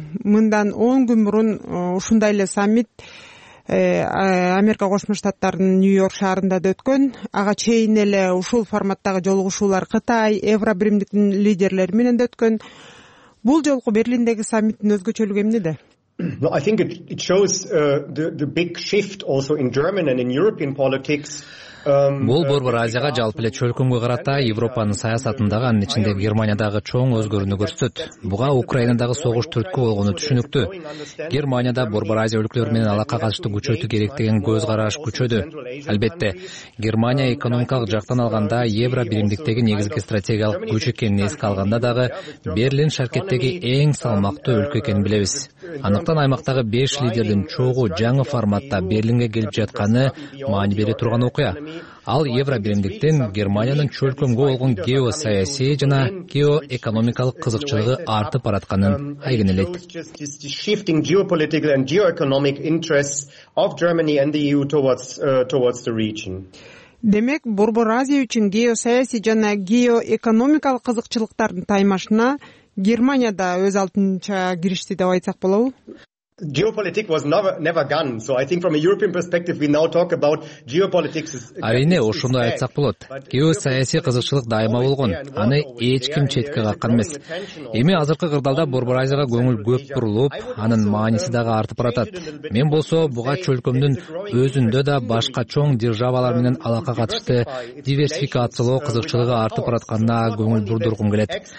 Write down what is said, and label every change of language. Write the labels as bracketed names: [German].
[Kyrgyz] Мындан 10 күн мурун ушундай эле саммит Америка Кошмо Штаттарынын Нью-Йорк шаарында да өткөн. Ага чейин эле ушул форматтагы жолугушуулар Кытай, Евробиримдиктин лидерлери менен да өткөн. Бул жолку Берлиндеги саммиттин өзгөчөлүгү эмнеде? [English] Well, I think it shows the big shift also in German and in European politics. [Kyrgyz] Бул Борбор Азияга жалпы эле чөлкөмгө карата Европанын саясатындагы, анын ичинде Германиядагы чоң өзгөрүүнү көрсөтөт. Буга Украинадагы согуш түрткү болгону түшүнүктүү. Германияда Борбор Азия өлкөлөрү менен алака катышты күчөтүү керек деген көз караш күчөдү. Албетте, Германия экономикалык жактан алганда Евробиримдиктеги негизги стратегиялык күч экенин эске алганда дагы Берлин шаркеттеги эң салмактуу өлкө экенин билебиз. Андыктан аймактагы 5 лидердин чогуу жаңы форматта Берлинге келип жатканы маани бере турган окуя. Ал Евробиримдиктен Германиянын чөлкөмгө болгон геосаясий жана геоэкономикалык кызыкчылыгы артып баратканын айгинелейт. [English] Shifting geopolitical and geoeconomic interests of Germany and the EU towards the region. [Kyrgyz] Демек, Борбор Азия үчүн геосаясий жана геоэкономикалык кызыкчылыктардын таймашына Германия да өз алдынча киришти деп айтсак болобу? [English] Geopolitics was never gone. So I think from a European perspective we now talk about geopolitics is [Kyrgyz] Арине ошондой айтсак болот. Геосаясий кызыкчылык дайыма болгон. Аны эч ким четке каккан эмес. Эми азыркы кырдаалда Борбор Азияга көңүл көп бурулуп, анын мааниси дагы артып баратат. Мен болсо буга чөлкөмдүн өзүндө да башка чоң державалар менен алака катышты диверсификациялоо кызыкчылыгы артып баратканына көңүл бурдургум келет.